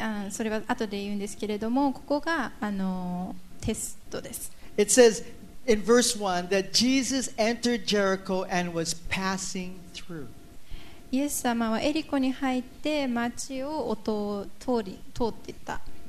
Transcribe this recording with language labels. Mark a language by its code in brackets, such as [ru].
[ja] それは後で言うんですけれども、ここが、あの、テストです。 [en] It says in verse 1 that Jesus entered Jericho and was passing through. [ja] イエス様はエリコに入って町を通っていった。